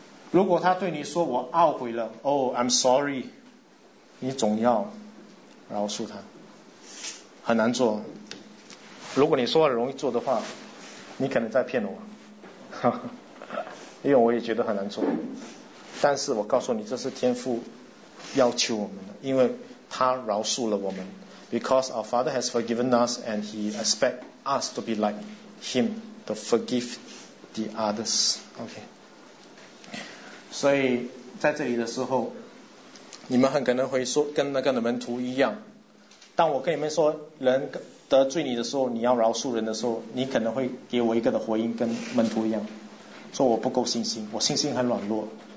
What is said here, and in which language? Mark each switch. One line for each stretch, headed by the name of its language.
Chinese: 如果他对你说我懊悔了，
English: I'm sorry，
Chinese: 你总要饶恕他。很难做，如果你说很容易做的话，你可能在骗我，因为我也觉得很难做。但是我告诉你，这是天父要求我们的，因为他饶恕了我们。
English: Because our Father has forgiven us and he expects us to be like him to forgive the others.
Chinese: OK， 所以在这里的时候，你们很可能会说跟那个门徒一样，当我跟你们说人得罪你的时候，你要饶恕人的时候，你可能会给我一个的回应，跟门徒一样，说我不够信心，我信心很软弱。